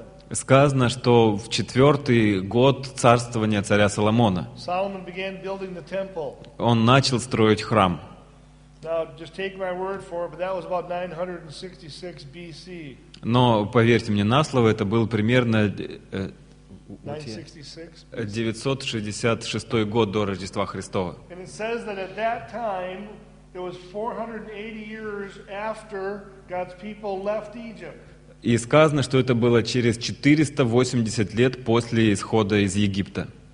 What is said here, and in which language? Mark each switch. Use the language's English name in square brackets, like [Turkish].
[Russian] сказано, что в 4-й год царствования царя Соломона [English] Solomon began building the temple. [Russian] Он начал строить храм. [English] Now, just take my word for it, but that was about 966 BC. [Russian] Но поверьте мне на слово, это был примерно 966 год до Рождества Христова. [English] And it says that at that time it was 480 years after God's people left Egypt. [Russian] И сказано, что это было через 480 лет после исхода из Египта.